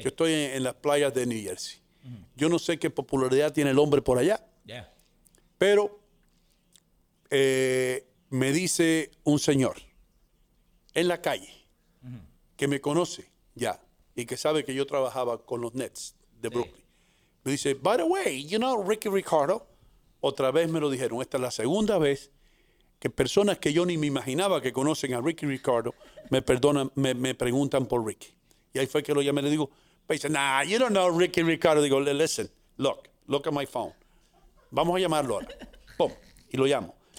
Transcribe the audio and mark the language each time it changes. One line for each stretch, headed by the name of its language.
Spanish: Yo estoy en las playas de New Jersey. Yo no sé qué popularidad tiene el hombre por allá, pero me dice un señor en la calle que me conoce ya y que sabe que yo trabajaba con los Nets de Brooklyn. Me dice,
English: by the way, you know Ricky Ricardo.
Spanish: Otra vez me lo dijeron. Esta es la segunda vez que personas que yo ni me imaginaba que conocen a Ricky Ricardo me perdonan, me preguntan por Ricky. Y ahí fue que lo llamé y le digo, he dice,
English: nah, you don't know Ricky Ricardo.
Spanish: Digo,
English: listen, look at my phone.
Spanish: Vamos a llamarlo ahora. Pum, y lo llamo.